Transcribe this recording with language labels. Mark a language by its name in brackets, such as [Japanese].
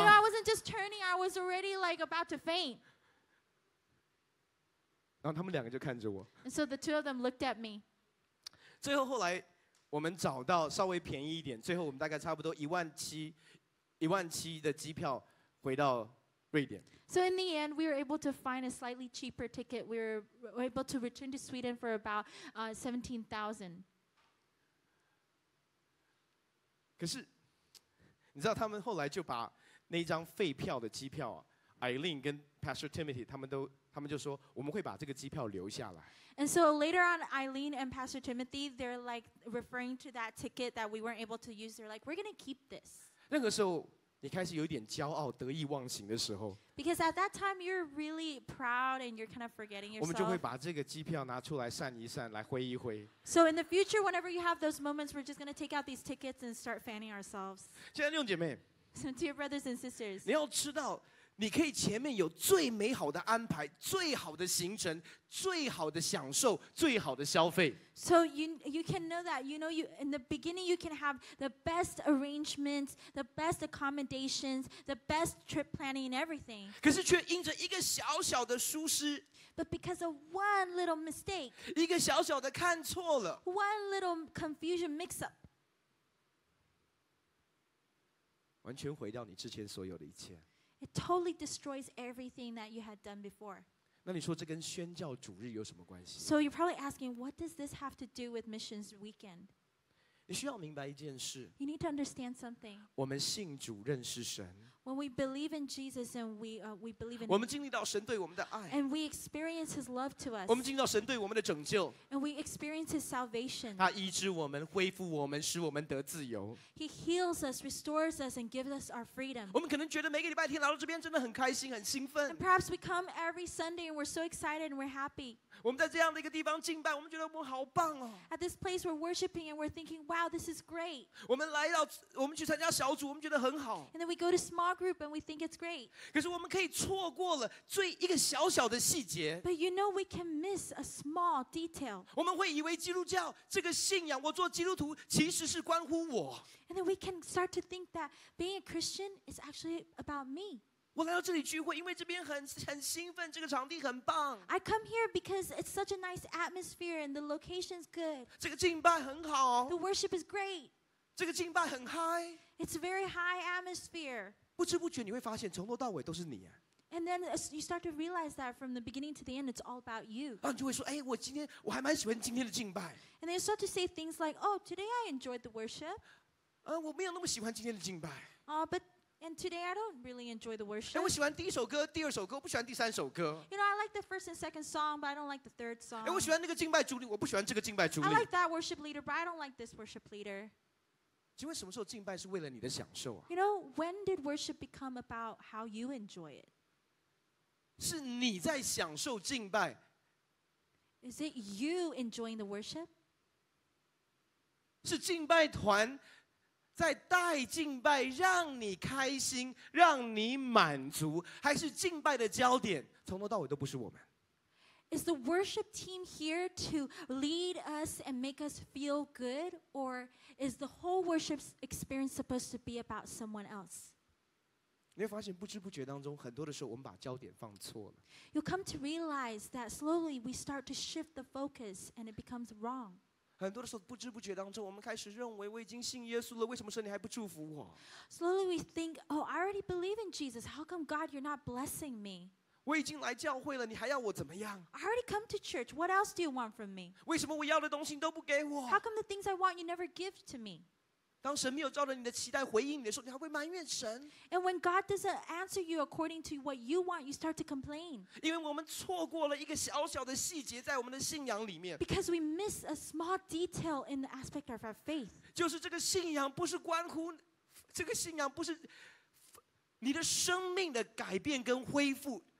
[English] You know, I wasn't just turning, I was already like about to faint. [Chinese] 然后他们两个就看着我 [English] And so the two of them looked at me. [Chinese] 最后后来我们找到稍微便宜一点，最后我们大概差不多一万七的机票回到瑞典。 [English] So in the end, we were able to find a slightly cheaper ticket. We were able to return to Sweden for about 17,000. [Chinese] 可是，你知道他们后来就把那张废票的机票 ，Eileen 跟 Pastor Timothy 他们就说我们会把这个机票留下来。 [English] And so later on, Eileen and Pastor Timothy, they're like referring to that ticket that we weren't able to use. They're like, we're going to keep this. [Chinese] 那个时候，你开始有点骄傲、得意忘形的时候。 [English] Because at that time, you're really proud and you're kind of forgetting yourself. [Chinese] 我们就会把这个机票拿出来散一散，来挥一挥。 [English] So in the future, whenever you have those moments, we're just going to take out these tickets and start fanning ourselves. [Chinese] 亲爱的弟兄姐妹。 [English] So to your brothers and sisters. [Chinese] 你要知道。你可以前面有最美好的安排，最好的行程，最好的享受，最好的消费。 [English] So you can know that you know you in the beginning you can have the best arrangements, the best accommodations, the best trip planning and everything. [Chinese] 可是却因着一个小小的疏失。 [English] But because of one little mistake. [Chinese] 一个小小的看错了。 [English] One little confusion mix up. [Chinese] 完全毁掉你之前所有的一切。 [English] It totally destroys everything that you had done before. [Chinese] 那你说这跟宣教主日有什么关系？ [English] So you're probably asking, what does this have to do with missions weekend? [Chinese] 你需要明白一件事。 [English] You need to understand something. [Chinese] 我们信主认识神。 [English] When we believe in Jesus and we believe in [Chinese] 我们经历到神对我们的爱。 [English] And we experience His love to us. [Chinese] 我们经历到神对我们的拯救。 [English] And we experience His salvation. [Chinese] 他医治我们，恢复我们，使我们得自由。 [English] He heals us, restores us, and gives us our freedom. [Chinese] 我们可能觉得每个礼拜天来到这边真的很开心，很兴奋。 [English] And perhaps we come every Sunday and we're so excited and we're happy. [Chinese] 我们在这样的一个地方敬拜，我们觉得我们好棒哦。 [English] At this place we're worshiping and we're thinking, wow, this is great. [Chinese] 我们来到，我们去参加小组，我们觉得很好。 [English] And then we go to small small group and we think it's great. [Chinese] 可是我们可以错过了最一个小小的细节。 [English] But you know we can miss a small detail. [Chinese] 我们会以为基督教这个信仰，我做基督徒其实是关乎我。 [English] And then we can start to think that being a Christian is actually about me. [Chinese] 我来到这里聚会，因为这边很兴奋，这个场地很棒。 [English] I come here because it's such a nice atmosphere and the location's good. [Chinese] 这个敬拜很好。 [English] The worship is great. [Chinese] 这个敬拜很嗨。 [English] It's a very high atmosphere. [Chinese] 不知不觉你会发现，从头到尾都是你啊。 [English] And then you start to realize that from the beginning to the end, it's all about you. [Chinese] 然后你就会说，哎，我还蛮喜欢今天的敬拜。 [English] And then you start to say things like, oh, today I enjoyed the worship. [Chinese] 我没有那么喜欢今天的敬拜。 [English] But and today I don't really enjoy the worship. [Chinese] 我喜欢第一首歌，第二首歌，不喜欢第三首歌。 [English] You know, I like the first and second song, but I don't like the third song. [Chinese] 我喜欢那个敬拜主领，我不喜欢这个敬拜主领。 [English] I like that worship leader, but I don't like this worship leader. [Chinese] 请问什么时候敬拜是为了你的享受啊？ [English] You know, when did worship become about how you enjoy it? [Chinese] 是你在享受敬拜。 [English] Is it you enjoying the worship? [Chinese] 是敬拜团在带敬拜让你开心，让你满足，还是敬拜的焦点从头到尾都不是我们？ [English] Is the worship team here to lead us and make us feel good? Or is the whole worship experience supposed to be about someone else? [Chinese] 你会发现不知不觉当中很多的时候我们把焦点放错了。 [English] You'll come to realize that slowly we start to shift the focus and it becomes wrong. [Chinese] 很多的时候不知不觉当中我们开始认为我已经信耶稣了，为什么神你还不祝福我？ [English] Slowly we think, oh, I already believe in Jesus. How come God, you're not blessing me? [Chinese] 我已经来教会了，你还要我怎么样？ [English] I already come to church. What else do you want from me? [Chinese] 为什么我要的东西都不给我？ [English] How come the things I want you never give to me? [Chinese] 当神没有照着你的期待回应你的时候，你还会埋怨神？ [English] And when God doesn't answer you according to what you want, you start to complain. [Chinese] 因为我们错过了一个小小的细节在我们的信仰里面。 [English] Because we miss a small detail in the aspect of our faith. [Chinese] 就是这个信仰不是关乎，这个信仰不是你的生命的改变跟恢复。